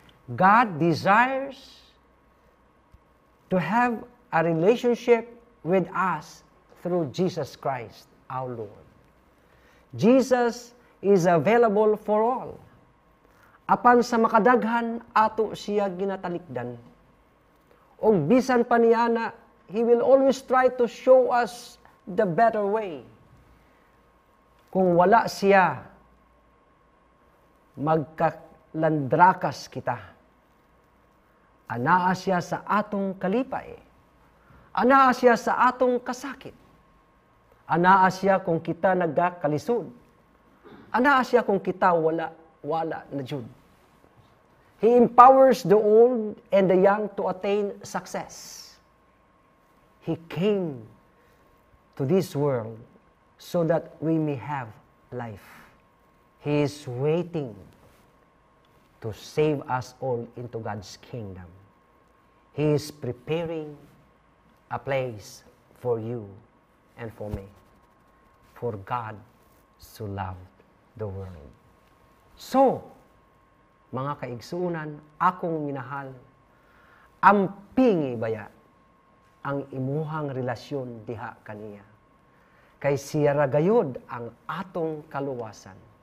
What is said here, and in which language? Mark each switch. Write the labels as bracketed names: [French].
[English] God desires to have a relationship with us through Jesus Christ, our Lord. Jesus is available for all. [Cebuano] Apan sa makadaghan, ato siya ginatalikdan. Og bisan pa niya na, [English] He will always try to show us the better way. [Cebuano] Kung wala siya, magkalandrakas kita. Anaa siya sa atong kalipay. Anaa siya sa atong kasakit. Anaa siya kung kita nagkalisod. Anaa siya kung kita wala na jud. [English] He empowers the old and the young to attain success. He came to this world so that we may have life. He is waiting to save us all into God's kingdom. He is preparing a place for you and for me. For God so loved the world. [Cebuano] So, mga kaigsuunan, akong minahal, ampingi baya ang imuhang relasyon diha kaniya. Kay siya ra gayod ang atong kaluwasan.